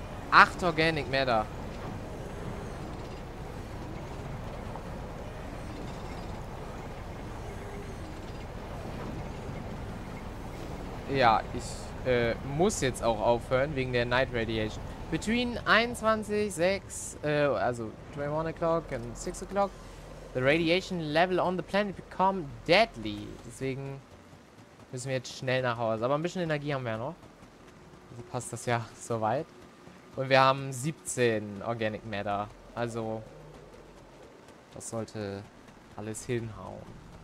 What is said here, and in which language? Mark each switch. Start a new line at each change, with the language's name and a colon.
German: Acht Organic Matter. Ja, ich muss jetzt auch aufhören wegen der Night Radiation.
English: Between 21, 6, also 21 o'clock and 6 o'clock, the radiation level on the planet become deadly.
German: Deswegen müssen wir jetzt schnell nach Hause. Aber ein bisschen Energie haben wir ja noch. Also passt das ja soweit. Und wir haben 17 Organic Matter. Also, das sollte alles hinhauen.